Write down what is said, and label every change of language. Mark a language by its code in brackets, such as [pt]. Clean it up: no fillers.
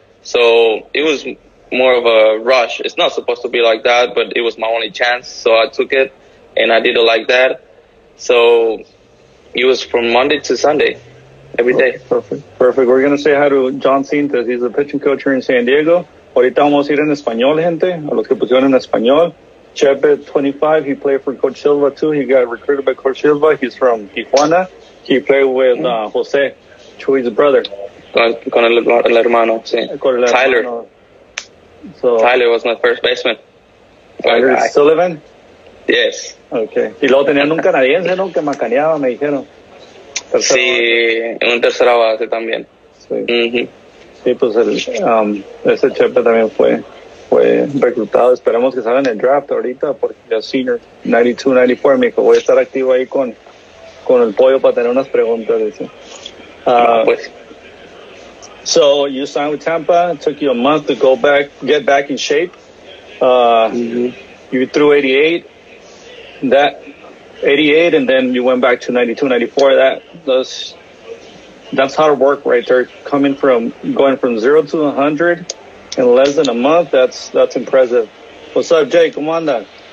[en] So it was more of a rush. It's not supposed to be like that, but it was my only chance, so I took it, and I did it like that. So it was from Monday to Sunday, every day. Perfect. We're going to say hi to John Cintas. He's a pitching coach here in San Diego. [es] Ahorita vamos a ir en español, gente, a los que pusieron en español. [en] Chepe, 25, he played for Coach Silva, too. He got recruited by Coach Silva. He's from Tijuana. He played with Jose, Chuy's brother. [es] Con el hermano, sí. [en] Tyler. So, Tyler was my first baseman. Tyler Sullivan? Yes. [es] Okay. Y luego tenían un canadiense, ¿no? Que macaneaba, me dijeron. Sí, en un tercera base también. Sí. Y pues ese Chepe también fue reclutado. Esperemos que salgan el draft ahorita porque ya senior, 92, 94. Me dijo, voy a estar activo ahí con el pollo para tener unas preguntas. Dice. Pues. [en] So you signed with Tampa. It took you a month to get back in shape. You threw 88. That 88, and then you went back to 92, 94. That's hard work right there. Going from 0 to 100 in less than a month, that's impressive. What's up, Jake? [es] ¿Cómo anda?